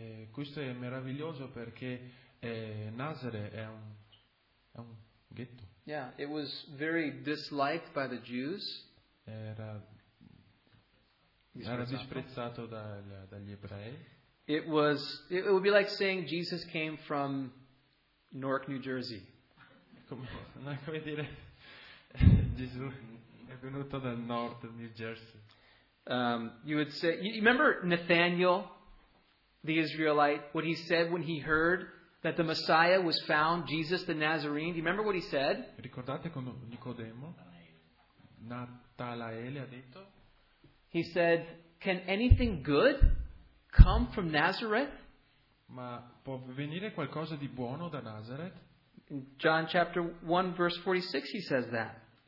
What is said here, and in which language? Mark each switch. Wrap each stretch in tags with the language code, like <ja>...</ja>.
<it>Questo è meraviglioso perché Nazareth è un ghetto.</it> <en>Yeah, it was very disliked by the Jews.</en> <it>Era disprezzato dagli ebrei.</it> <en>It would be like saying Jesus came from Newark, New Jersey.</en> <it>Come dire, Gesù è venuto dal nord del New Jersey.</it> <en>You would say, you remember Nathaniel? The Israelite, what he said when he heard that the Messiah was found, Jesus the Nazarene. Do you remember what he said?</en> <it>Ricordate quando Nicodemo, Natanaele ha detto?</it> <en>He said, "Can anything good come from Nazareth?"</en> <it>Ma può venire qualcosa di buono da Nazareth?</it> <en>In John chapter 1 verse 46, he says that.</en>